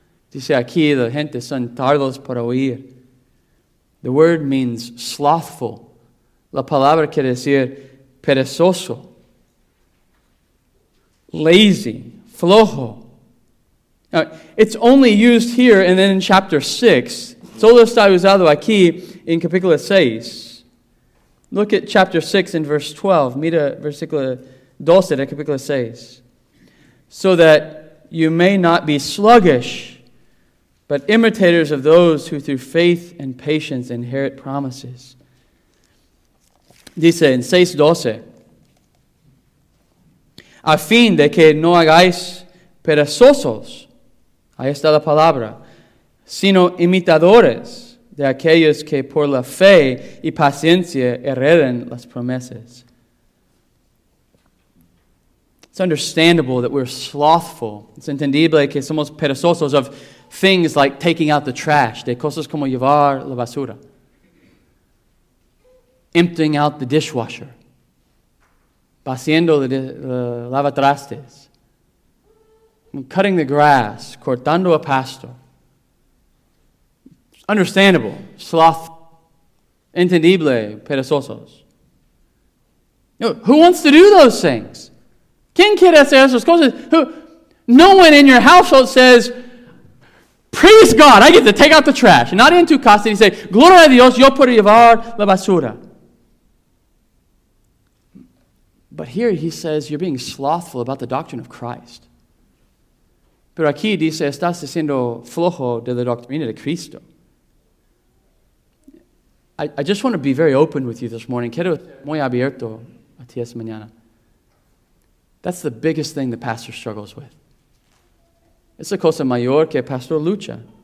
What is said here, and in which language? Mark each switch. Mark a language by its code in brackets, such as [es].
[es] Dice aquí, la gente son tardos para oír. [en] The word means slothful. [es] La palabra quiere decir perezoso. [en] Lazy, flojo. Now, it's only used here and then in chapter 6. [es] Solo está usado aquí en capítulo 6. [en] Look at chapter 6 and verse 12. [es] Mira versículo 12 de capítulo 6. [en] So that you may not be sluggish, but imitators of those who through faith and patience inherit promises. [es] Dice en 6:12. A fin de que no hagáis perezosos, ahí está la palabra, sino imitadores de aquellos que por la fe y paciencia hereden las promesas. [en] It's understandable that we're slothful. [es] It's entendible que somos perezosos [en] of things like taking out the trash, [es] de cosas como llevar la basura, [en] emptying out the dishwasher, [es] vaciando la lavatrastes, [en] cutting the grass, [es] cortando a pasto. [en] Understandable, sloth, [es] entendible, perezosos. [en] No, who wants to do those things? [es] ¿Quién quiere hacer esas cosas? [en] No one in your household says, praise God, I get to take out the trash. Not in [es] tu casa, [en] you say, [es] gloria a Dios, yo puedo llevar la basura. [en] But here he says, you're being slothful about the doctrine of Christ. [es] Pero aquí dice, estás siendo flojo de la doctrina de Cristo. [en] I just want to be very open with you this morning. [es] Quiero ser muy abierto a ti esta mañana. [en] That's the biggest thing the pastor struggles with. [es] Es la cosa mayor que el pastor lucha.